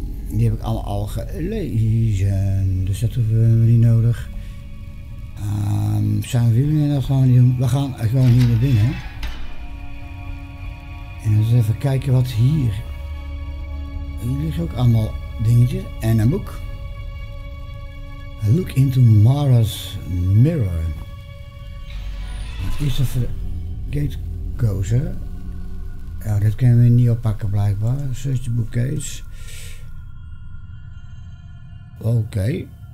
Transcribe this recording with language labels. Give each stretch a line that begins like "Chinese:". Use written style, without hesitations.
Dutch: Die heb ik al gelezen. Dus dat hoeven we niet nodig. Zijn we hier nog gewoon doen? We gaan gewoon hier naar binnen. En eens even kijken wat hier. Hier liggen ook allemaal dingetjes. En een boek.
English: A look into Mara's mirror.
Dutch: Wat is dat voor gatekozer? Ja, dat kunnen we niet oppakken blijkbaar.
English: Search the bookcase.
Dutch: Oké.